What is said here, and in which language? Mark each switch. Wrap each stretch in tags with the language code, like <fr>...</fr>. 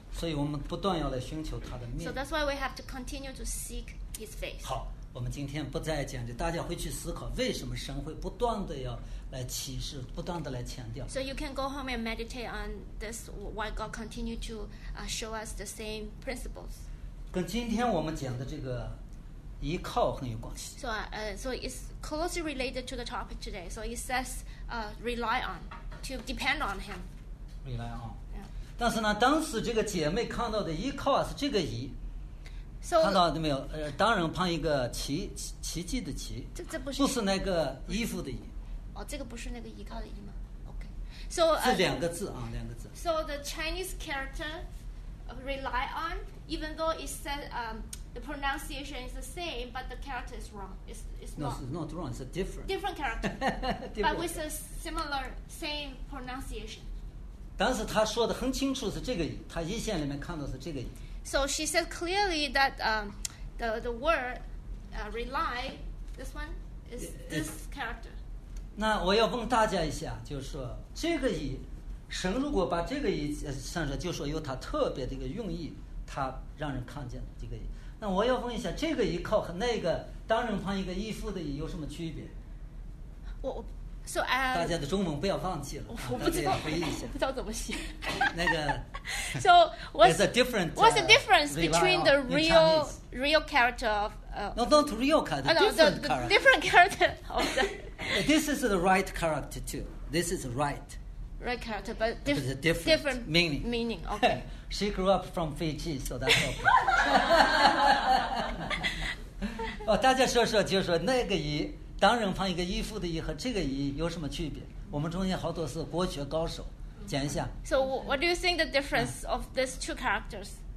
<zh>所以我们不断要来寻求他的面。</zh> <en>So that's why we have to continue to seek his face.</en> <zh>好，我们今天不再讲，就大家会去思考为什么神会不断的要。来启示，不断的来强调。</zh> <en>So you can go home and meditate on this. Why God continue to show us the same principles?</en> <zh>跟今天我们讲的这个依靠很有关系。</zh> <en>So so it's closely related to the topic today. So it says rely on, to depend on Him. Rely on. Yeah.</en> <zh>但是呢，当时这个姐妹看到的依靠是这个依。</zh> <en>So,</en> <zh>看到没有？当然碰一个奇迹的奇。这不是。不是那个衣服的衣。哦，这个不是那个依靠的依吗 ？</zh> <en>OK， so</en> <zh>是两个字啊，两个字。</zh> <en>So the Chinese character rely on, even though it says the pronunciation is the same, but the character is wrong. It's not wrong. It's a different. Different character, but with a similar same pronunciation.</en> <zh>当时他说的很清楚是这个依，他一线里面看到是这个依。</zh> <en>So she said clearly that the word rely this one is this character.</en> <zh>那我要问大家一下，就是说这个意，神如果把这个意算上，就是说有他特别的一个用意，他让人看见这个意。那我要问一下，这个依靠和那个当人旁一个依附的意有什么区别？</zh> <en>So,</en> <zh>大家的中文不要放弃了，我不知道，不知道怎么写。那个</zh> <en>，So what's the difference? What's the difference between the real real character of No, not real character, different character of the. This is the right character too. This is right. Right character, but different. It's a different meaning. Meaning. Okay. She grew up from Fiji, so that's okay.</en> <zh>哦，大家说说，就是说那个衣，当人放一个衣服的衣和这个衣有什么区别？我们中间好多是国学高手，讲一下。</zh> <en>So what do you think the difference of these two characters?</en>